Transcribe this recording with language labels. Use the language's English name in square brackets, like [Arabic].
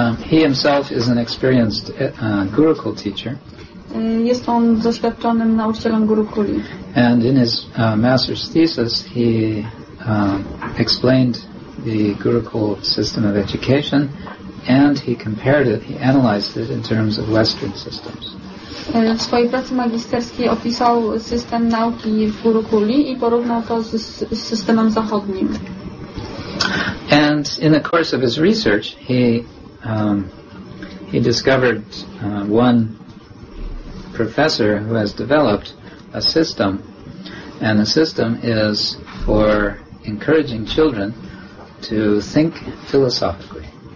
[English] He himself is an experienced Gurukul teacher. [Polish] Jest on doświadczonym nauczycielem Gurukuli. [English] And in his master's thesis he explained the Gurukul system of education, and he compared it, he analyzed it in terms of Western systems. [Polish] W swojej pracy magisterskiej opisał system nauki w Gurukuli i porównał to z systemem zachodnim. [English] And in the course of his research, he discovered one professor who has developed a system, and the system is for encouraging children to think philosophically.